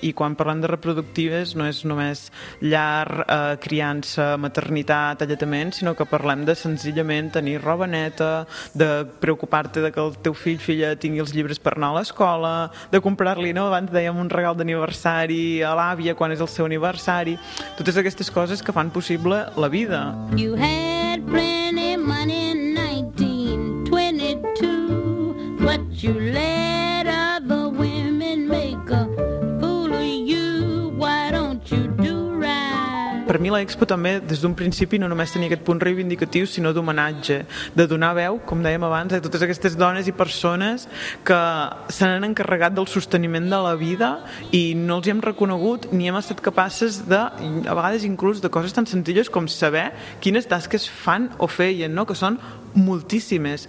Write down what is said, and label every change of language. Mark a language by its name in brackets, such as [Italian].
[Catalan] I quan parlem de reproductives no és només llar, criança, maternitat, alletament, sinó que parlem de senzillament tenir roba neta, de preocupar-te de que el teu fill, filla, tingui els llibres per anar a l'escola, de comprar-li, no? Abans dèiem un regal d'aniversari a l'àvia quan és el seu aniversari. Totes aquestes coses que fan possible la vida. [English] You had plenty money in 1922, but you let other women make a fool of you. Why don't you do right? [Catalan] Per mi l'Expo també, des d'un principi, no només tenia aquest punt reivindicatiu, sinó d'homenatge, de donar veu, com dèiem abans, a totes aquestes dones i persones que se n'han encarregat del sosteniment de la vida i no els hi hem reconegut ni hem estat capaces de, a vegades inclús, de coses tan senzilles com saber quines tasques fan o feien, no? Que són moltíssimes.